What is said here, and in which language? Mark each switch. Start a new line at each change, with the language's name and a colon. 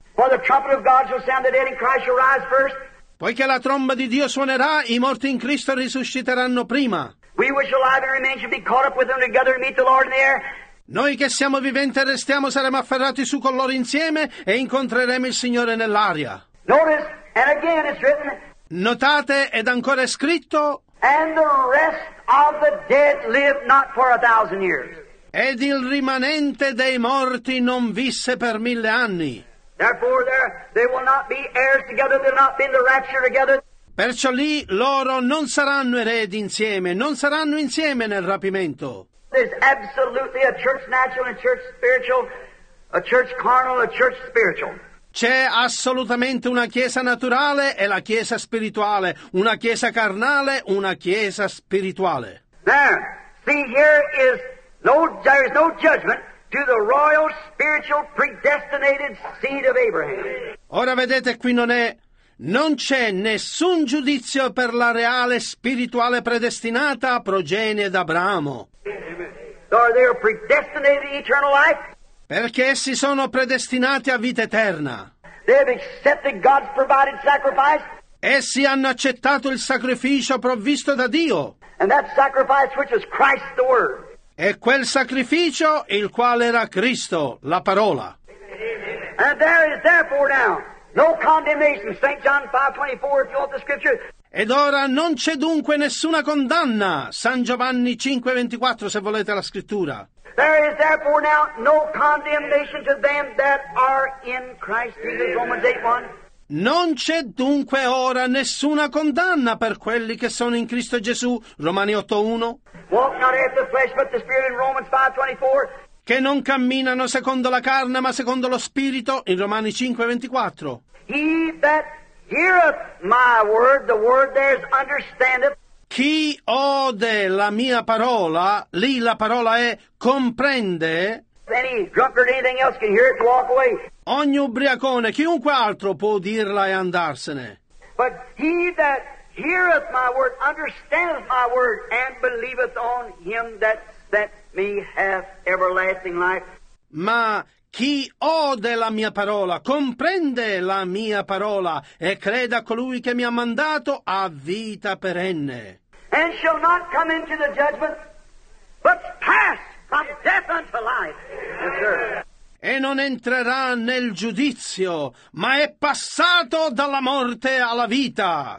English: For the trumpet of God shall sound, the dead in Christ shall rise first.
Italian: Poiché la tromba di Dio suonerà, i morti in Cristo risusciteranno prima.
English: We which are alive and remain shall be caught up with them together and meet the Lord in the air.
Italian: Noi che siamo viventi e restiamo saremo afferrati su con loro insieme e incontreremo il Signore nell'aria.
English: Notice, and again it's written,
Italian: notate ed ancora è scritto,
English: and the rest of the dead lived not for a thousand years.
Italian: Ed il rimanente dei morti non visse per mille anni.
English: Therefore they will not be heirs together, they will not be in the rapture together.
Italian: Perciò lì loro non saranno eredi insieme, non saranno insieme nel rapimento.
English: There's absolutely a church natural and a church spiritual, a church carnal, a church spiritual.
Italian: C'è assolutamente una chiesa naturale e la chiesa spirituale, una chiesa carnale, una chiesa spirituale.
English: There, see, here is no, there is no judgment to the royal spiritual predestinated seed of Abraham.
Italian: Ora vedete, qui non c'è nessun giudizio per la reale spirituale predestinata progenie d'Abramo.
English: Are they predestinated to eternal life?
Italian: Perché essi sono predestinati a vita eterna.
English: They have accepted God's provided sacrifice.
Italian: Essi hanno accettato il sacrificio provvisto da Dio.
English: And that sacrifice which is Christ the Word.
Italian: E quel sacrificio il quale era Cristo, la parola.
English: And there is therefore now no condemnation. St. John 5:24, if you want the scripture.
Italian: Ed ora non c'è dunque nessuna condanna. San Giovanni 5:24, se volete la scrittura.
English: There is therefore now no condemnation to them that are in Christ Jesus. Romans 8:1.
Italian: Non c'è dunque ora nessuna condanna per quelli che sono in Cristo Gesù. Romani 8:1.
English: Walk not after the flesh, but the Spirit. In Romans 5:24.
Italian: Che non camminano secondo la carne, ma secondo lo Spirito. In Romani 5:24.
English: He that heareth my word, the word there is understandeth.
Italian: Chi ode la mia parola, lì la parola è comprende.
English: Any drunkard, anything else can hear it and walk away.
Italian: Ogni ubriacone, chiunque altro può dirla e andarsene.
English: But he that heareth my word, understandeth my word, and believeth on him that sent me hath everlasting life.
Italian: Ma chi ode la mia parola, comprende la mia parola e crede a colui che mi ha mandato a vita perenne.
English: And shall not come into the judgment, but pass from death unto life. Yes, sir.
Italian: E non entrerà nel giudizio, ma è passato dalla morte alla vita.